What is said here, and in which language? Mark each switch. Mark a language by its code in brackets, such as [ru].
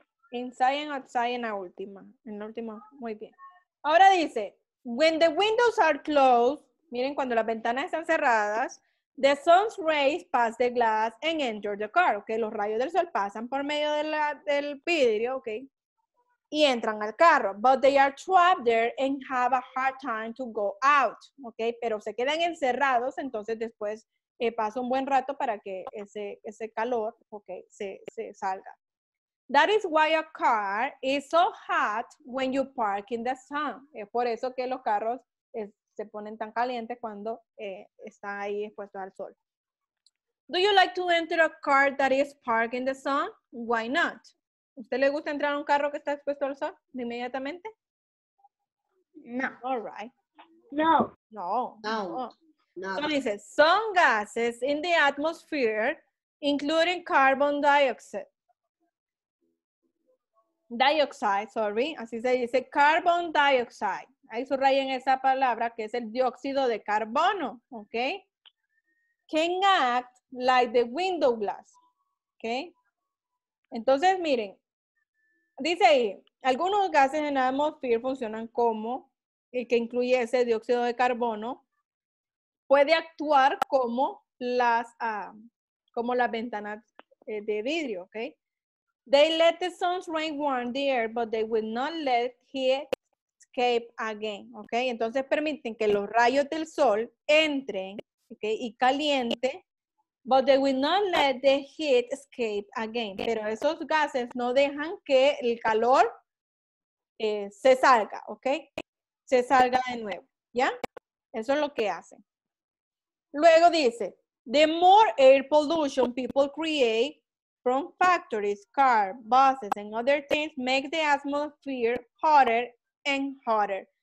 [en] Inside and outside [es] en la última. En la última, muy bien. Ahora dice, [en] when the windows are closed, [es] miren, cuando las ventanas están cerradas, [en] the sun's rays pass the glass and enter the car. [es] Okay, los rayos del sol pasan por medio de del vidrio, okay, y entran al carro. [en] But they are trapped there and have a hard time to go out. [es] Okay, pero se quedan encerrados, entonces después pasa un buen rato para que ese calor, okay, se salga. [en] That is why a car is so hot when you park in the sun. [es] Es por eso que los carros se ponen tan calientes cuando está ahí expuesto al sol. [en] Do you like to enter a car that is parked in the sun? Why not? [es] ¿Usted le gusta entrar a un carro que está expuesto al sol inmediatamente? No. [en] All right. [es] No. No. No. No. [en] So dice, some gases in the atmosphere, including carbon dioxide. Dioxide, sorry. [es] Así se dice, [en] carbon dioxide. [es] Ahí subrayen esa palabra que es el dióxido de carbono, ¿ok? [en] Can act like the window glass, ¿ok? [es] Entonces, miren, dice ahí, algunos gases en la atmósfera funcionan como, el que incluye ese dióxido de carbono, puede actuar como las ventanas de vidrio, ¿ok? [en] They let the sun's rain warm the air, but they will not let heat escape again, ¿ok? [es] Entonces permiten que los rayos del sol entren, ¿ok? Y caliente, [en] but they will not let the heat escape again. [es] Pero esos gases no dejan que el calor se salga, ¿ok? Se salga de nuevo, ¿ya? Eso es lo que hacen. Luego dice, [en] the more air pollution people create from factories, cars, buses, and other things make the atmosphere hotter and hotter.